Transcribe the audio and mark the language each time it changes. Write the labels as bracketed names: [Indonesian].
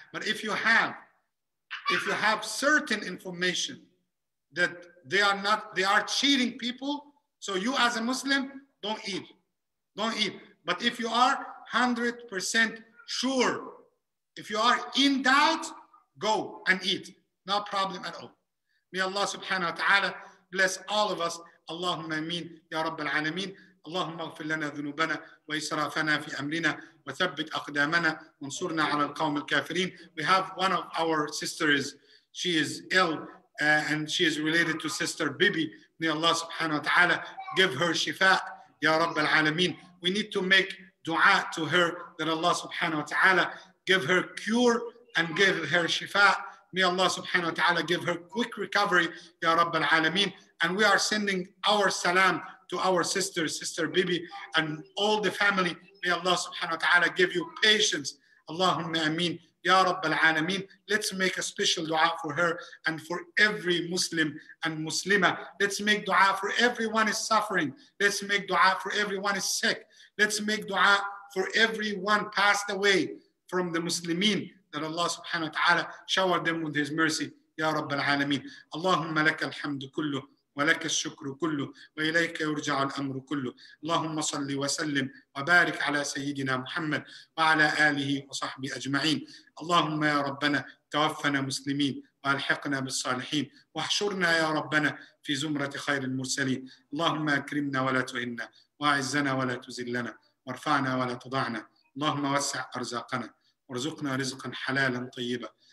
[English] But if you have certain information that they are cheating people, so you as a Muslim, don't eat. But if you are 100% sure, if you are in doubt, go and eat, no problem at all. May Allah subhanahu wa ta'ala bless all of us. [Arabic] Allahumma ameen, ya rabbal alameen. اللهم اغفر لنا ذنوبنا وإسرافنا في أمرنا وثبت أقدامنا وانصرنا على القوم الكافرين. [English] We have one of our sisters, she is ill, and she is related to sister Bibi. May Allah subhanahu wa ta'ala give her shifa, [Arabic] ya رب العالمين. [English] We need to make dua to her that Allah subhanahu wa ta'ala give her cure and give her shifa. May Allah subhanahu wa ta'ala give her quick recovery, [Arabic] ya رب العالمين. [English] And we are sending our salam to our sister, sister Bibi, and all the family. May Allah subhanahu wa ta'ala give you patience. [Arabic] Allahumma ameen, Ya Rabb al-Alameen, [English] let's make a special dua for her and for every Muslim and Muslima. Let's make dua for everyone is suffering. Let's make dua for everyone is sick. Let's make dua for everyone passed away from the Muslimin, that Allah subhanahu wa ta'ala shower them with his mercy. [Arabic] Ya Rabb al-Alameen. Allahumma laka alhamdu kullu. ولك الشكر كله وإليك يرجع الأمر كله اللهم صل وسلم وبارك على سيدنا محمد وعلى آله وصحبه أجمعين اللهم يا ربنا توفنا مسلمين وألحقنا بالصالحين واحشرنا يا ربنا في زمرة خير المرسلين اللهم أكرمنا ولا تهنا وأعزنا ولا تزلنا وارفعنا ولا تضعنا اللهم وسع أرزاقنا وارزقنا رزقا حلالا طيبا